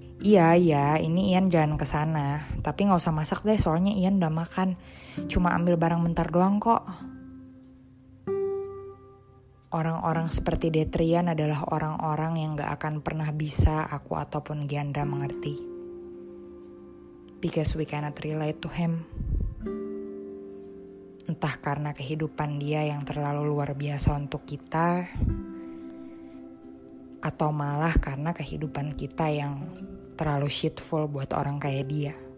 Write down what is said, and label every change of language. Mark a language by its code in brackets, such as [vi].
[id] Iya, ini Ian jalan kesana. Tapi gak usah masak deh, soalnya Ian udah makan. Cuma ambil barang bentar doang kok. Orang-orang seperti Detrian adalah orang-orang yang gak akan pernah bisa aku ataupun Gianda mengerti. [en] Because we cannot relate to him. [id] Entah karena kehidupan dia yang terlalu luar biasa untuk kita, atau malah karena kehidupan kita yang terlalu shitful buat orang kayak dia.